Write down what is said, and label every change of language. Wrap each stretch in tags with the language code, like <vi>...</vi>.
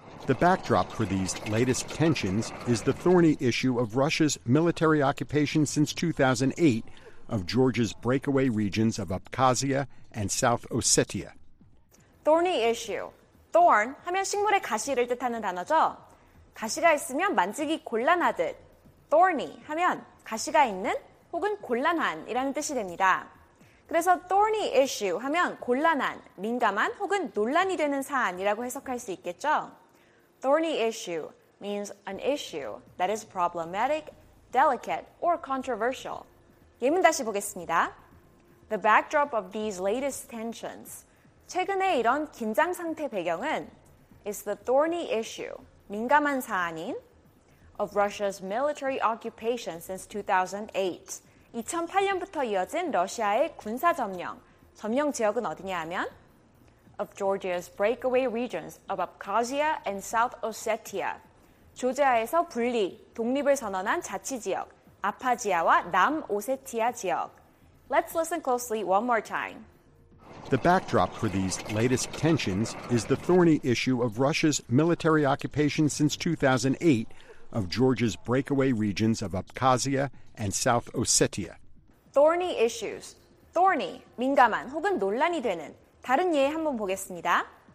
<en>The backdrop for these latest tensions is the thorny issue of Russia's military occupation since 2008 of Georgia's breakaway regions of Abkhazia and South Ossetia. Thorny issue.</en> <ko>Thorn 하면 식물의 가시를 뜻하는 단어죠. 가시가 있으면 만지기 곤란하듯. Thorny 하면 가시가 있는 혹은 곤란한이라는 뜻이 됩니다. 그래서</ko> <en>thorny issue</en> <ko>하면 곤란한, 민감한 혹은 논란이 되는 사안이라고 해석할 수 있겠죠.</ko> <en>Thorny issue means an issue that is problematic, delicate, or controversial.</en> <ko>예문 다시 보겠습니다.</ko> <en>The backdrop of these latest tensions,</en> <ko>최근에 이런 긴장 상태 배경은</ko> <en>is the thorny issue,</en> <ko>민감한 사안인</ko> <en>of Russia's military occupation since 2008.</en> <ko>2008년부터 이어진 러시아의 군사 점령. 점령 지역은 어디냐 하면</ko> <en>of Georgia's breakaway regions of Abkhazia and South Ossetia.</en> <ko>조지아에서 분리, 독립을 선언한 자치지역, 아파지아와 남오세티아 지역.</ko> <en>Let's listen closely one more time. The backdrop for these latest tensions is the thorny issue of Russia's military occupation since 2008 of Georgia's breakaway regions of Abkhazia and South Ossetia. Thorny issues.</en> <ko>Thorny, 민감한 혹은 논란이 되는 다른 예 한번 보겠습니다.</ko>